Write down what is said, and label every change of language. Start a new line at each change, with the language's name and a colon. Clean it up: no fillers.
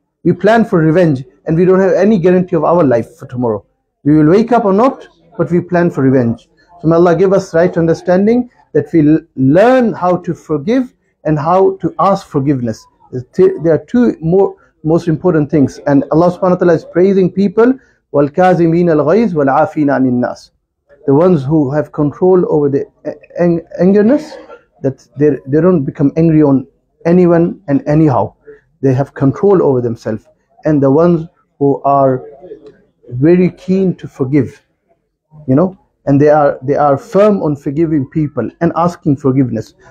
English: We plan for revenge and we don't have any guarantee of our life for tomorrow. We will wake up or not, but we plan for revenge. So may Allah give us right understanding that we learn how to forgive and how to ask forgiveness. There are two most important things. And Allah subhanahu wa ta'ala is praising people,
Arabic: وَالْكَازِمِينَ الْغَيْزِ وَالْعَافِينَ عَنِ النَّاسِ.
English: The ones who have control over the angerness, that they don't become angry on anyone and anyhow. They have control over themselves. And the ones who are very keen to forgive, you know, and they are firm on forgiving people and asking forgiveness.